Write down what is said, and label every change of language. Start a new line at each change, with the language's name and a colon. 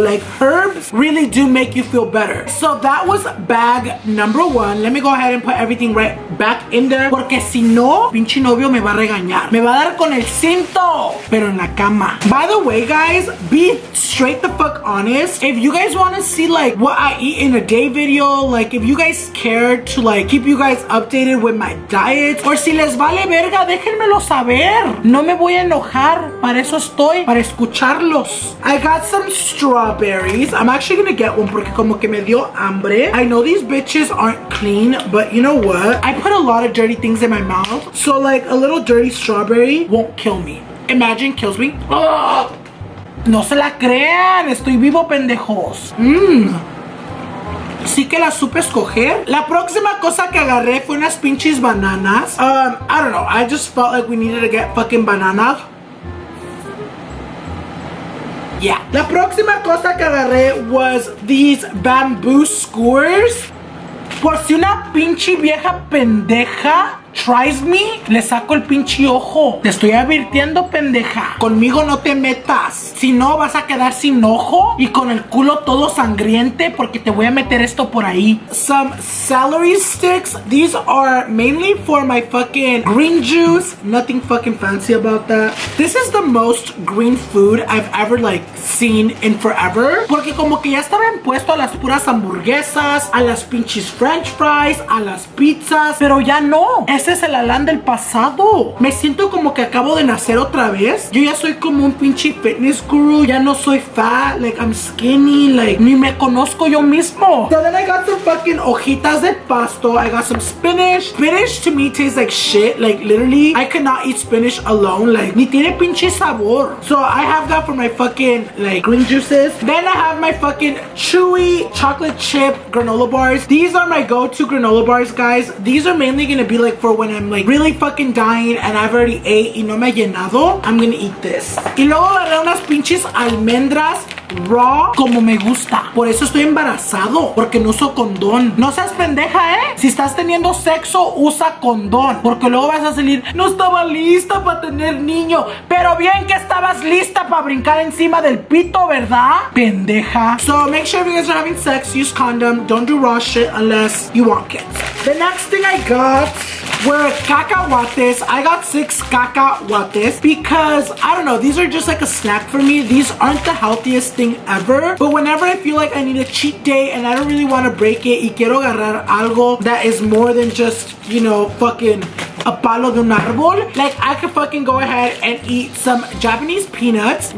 English: Like, herbs really do make you feel better. So that was bag number one. Let me go ahead and put everything right back in there.
Spanish: Porque si no, pinche novio me va a regañar. Me va a dar con el cinto, pero en la cama.
English: By the way, guys, be straight the fuck honest. If you guys want to see, like, what I eat in a day video, like, if you guys care to, like, keep you guys updated with my diet, or
Spanish: si les vale verga, déjenmelo saber. No me voy a enojar. Para eso estoy, para escucharlos.
English: I got some strawberries. I'm actually gonna get one
Spanish: porque como que me dio hambre.
English: I know these bitches aren't clean, but you know what? I put a lot of dirty things in my mouth, so like a little dirty strawberry won't kill me. Imagine kills me. Ugh.
Spanish: No se la crean, estoy vivo, pendejos. Sí que la supe escoger. La próxima cosa que agarré fue unas pinches bananas.
English: I don't know, I just felt like we needed to get fucking bananas.
Spanish: Yeah. La próxima cosa que agarré
English: was these bamboo skewers.
Spanish: Por si una pinche vieja pendeja
English: tries me,
Spanish: le saco el pinche ojo. Te estoy advirtiendo, pendeja. Conmigo no te metas. Si no, vas a quedar sin ojo y con el culo todo sangriente porque te voy a meter esto por ahí.
English: Some celery sticks. These are mainly for my fucking green juice. Nothing fucking fancy about that. This is the most green food I've ever, like, seen in forever.
Spanish: Porque como que ya estaba impuesto a las puras hamburguesas, a las pinches french fries, a las pizzas, pero ya no. Ese es el Alan del pasado. Me siento como que acabo de nacer otra vez. Yo ya soy como un pinche fitness guru. Ya no soy fat,
English: like I'm skinny, like
Spanish: ni me conozco yo mismo.
English: So then I got some fucking
Spanish: hojitas de pasto.
English: I got some spinach. Spinach to me tastes like shit. Like literally, I could not eat spinach alone. Like
Spanish: ni tiene pinche sabor.
English: So I have that for my fucking like green juices. Then I have my fucking chewy chocolate chip granola bars. These are my go-to granola bars, guys. These are mainly gonna be like for when I'm like really fucking dying and I've already ate
Spanish: y no me he llenado.
English: I'm gonna eat this.
Spanish: Y luego agarré unas pinches almendras raw como me gusta. Por eso estoy embarazado, porque no uso condón. No seas pendeja, si estás teniendo sexo, usa condón, porque luego vas a salir, no estaba lista para tener niño, pero bien que estabas lista para brincar encima del pito, ¿verdad? Pendeja.
English: So make sure if you guys are having sex, use condom. Don't do raw shit unless you want kids. The next thing I got were cacahuates. I got 6 cacahuates because I don't know, these are just like a snack for me. These aren't the healthiest thing ever, but whenever I feel like I need a cheat day and I don't really want to break it
Spanish: y quiero agarrar algo
English: that is more than just, you know, fucking a
Spanish: palo de un árbol,
English: like I could fucking go ahead and eat some Japanese peanuts.